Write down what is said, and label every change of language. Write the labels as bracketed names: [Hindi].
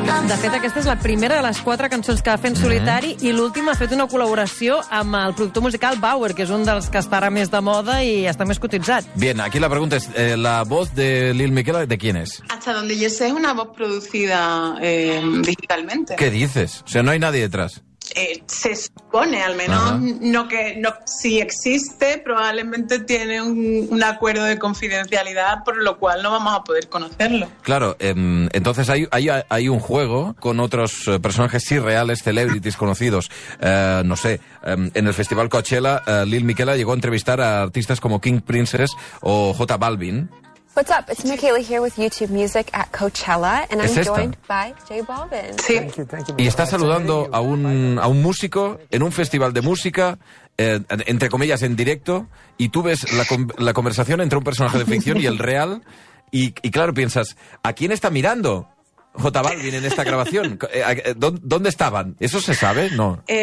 [Catalan] De fet, aquesta és la primera de les quatre cançons que va fer en solitari i l'última ha fet una col·laboració amb el productor musical Bauer, que és un dels que està ara més de moda i està més cotitzat. [Spanish] Bien, aquí la pregunta és, la voz de Lil Miquela, ¿de quién es? Hasta donde yo sé, es una voz producida digitalmente. ¿Qué dices? O sea, no hay nadie detrás. se supone, al menos, no si existe, probablemente tiene un acuerdo de confidencialidad, por lo cual no vamos a poder conocerlo. Claro, entonces hay un juego con otros personajes irreales, celebrities conocidos. No sé, en el Festival Coachella, Lil Miquela llegó a entrevistar a artistas como King Princess o J Balvin. [English] What's up? It's Michaela here with YouTube Music at Coachella, and I'm joined by J Balvin. Sí. Thank you. [Spanish] Y está saludando a un músico en un festival de música, entre comillas, en directo, y tú ves la conversación entre un personaje de ficción y el real, y claro, piensas, ¿a quién está mirando J Balvin en esta grabación? ¿Dónde estaban? ¿Eso se sabe? No.